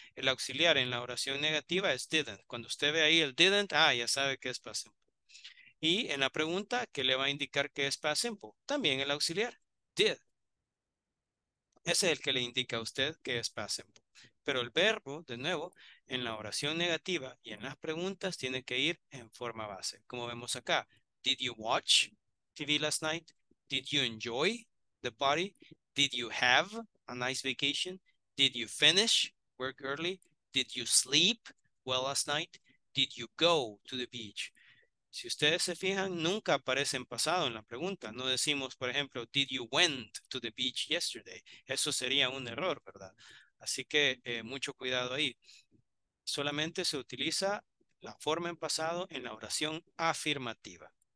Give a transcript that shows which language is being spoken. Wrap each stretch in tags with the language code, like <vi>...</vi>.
<es>El auxiliar en la oración negativa es didn't. Cuando usted ve ahí el didn't, ah, ya sabe que es past simple. Y en la pregunta, ¿qué le va a indicar que es past simple? También el auxiliar, did. Ese es el que le indica a usted que es past simple. Pero el verbo, de nuevo, en la oración negativa y en las preguntas, tiene que ir en forma base. Como vemos acá,</es> <en>did you watch TV last night? Did you enjoy the party? Did you have a nice vacation? Did you finish work early? Did you sleep well last night? Did you go to the beach?</en> <es>Si ustedes se fijan, nunca aparece en pasado en la pregunta. No decimos, por ejemplo,</es> <en>did you went to the beach yesterday?</en> <es>Eso sería un error, ¿verdad? Así que mucho cuidado ahí. Solamente se utiliza la forma en pasado en la oración afirmativa.</es>